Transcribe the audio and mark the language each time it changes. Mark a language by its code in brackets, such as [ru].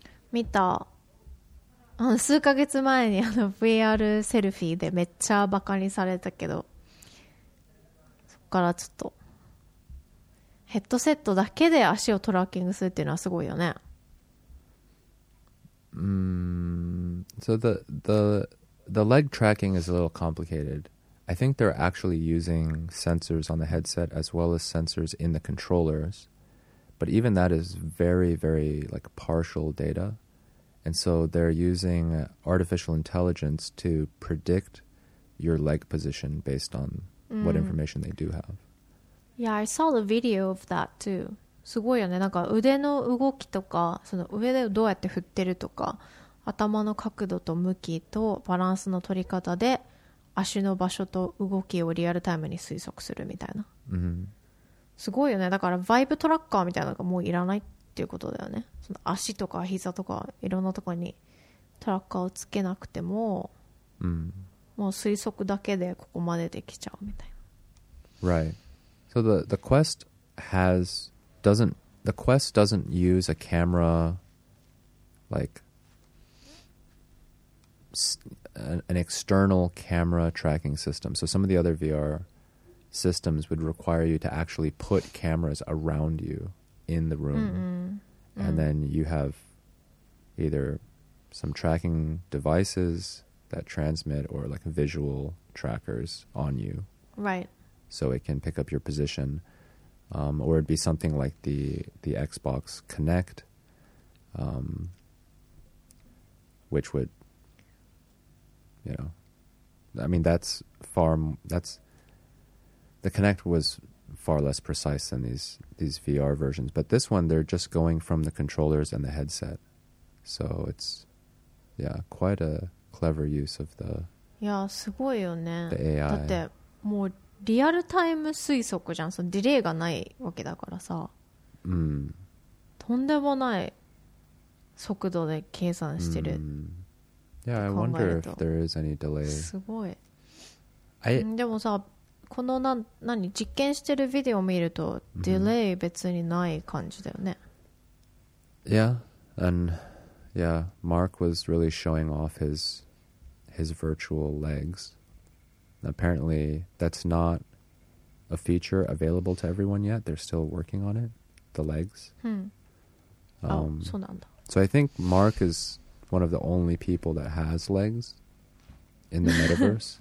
[ja] 見た。数ヶ月前にあの VR セルフィーでめっちゃバカにされたけど、そっからちょっとヘッドセットだけで足をトラッキングするっていうのはすごいよね。 [en] So the leg tracking is a little complicated. I think they're actually using sensors on the headset as well as sensors in the controllers. But even that is very, very like partial data. And so they're using artificial intelligence to predict your leg position based on what information they do have. Yeah, I saw the video of that too. [ja] すごいよね。なんか腕の動きとか、その腕をどうやって振ってるとか、頭の角度と向きとバランスの取り方で足の場所と動きをリアルタイムに推測するみたいな。 Mm-hmm. すごいよね。だからバイブトラッカーみたいなのがもういらないっていうことだよね。その足とか膝とかいろんなところにトラッカーをつけなくても、うん、もう推測だけでここまでできちゃうみたいな。 [en] Right. So the Quest has doesn't the Quest doesn't use a camera like an external camera tracking system. So some of the other VR systems would require you to actually put cameras around you. In the room, mm-hmm. and then you have either some tracking devices that transmit or like visual trackers on you, right? So it can pick up your position, or it'd be something like the Xbox Kinect, which would, you know, I mean, the Kinect was. Far less precise than these VR versions, but this one they're just going from the controllers and the headset, so it's yeah quite a clever use of the [ja] yeah すごいよね [en] the AI [ja] だってもうリアルタイム推測じゃん、そのディレイがないわけだからさ、とんでもない速度で計算してる、 [en] yeah I wonder if there is any delay [ja] すごいでもさこの何実験してるビデオを見ると、mm-hmm. ディレイ別にない感じだよね。 [en] Yeah, and yeah, Mark was really showing off his virtual legs. Apparently, that's not a feature available to everyone yet. They're still working on it, the legs. So I think Mark is one of the only people that has legs in the metaverse.